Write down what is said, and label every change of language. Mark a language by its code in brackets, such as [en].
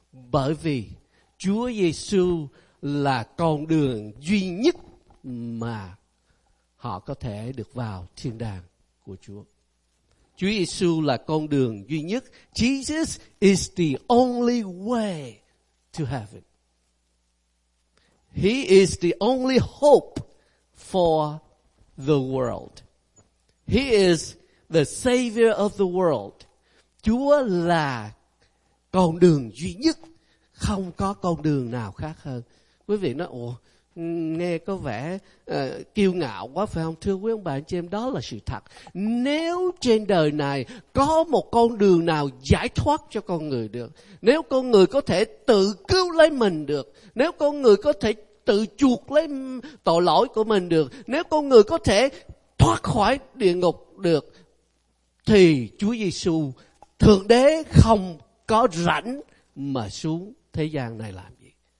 [vi] Bởi vì Chúa Giêsu là con đường duy nhất mà họ có thể được vào thiên đàng của Chúa. Chúa Giêsu là con đường duy nhất. [en] Jesus is the only way to heaven. He is the only hope for the world. He is the savior of the world. [vi] Chúa là con đường duy nhất, không có con đường nào khác hơn. Quý vị nói, ủa, nghe có vẻ kiêu ngạo quá phải không? Thưa quý ông bà anh chị em, đó là sự thật. Nếu trên đời này có một con đường nào giải thoát cho con người được, nếu con người có thể tự cứu lấy mình được, nếu con người có thể tự chuộc lấy tội lỗi của mình được, nếu con người có thể thoát khỏi địa ngục được, thì Chúa Giêsu Thượng Đế không có rảnh mà xuống thế gian này làm gì.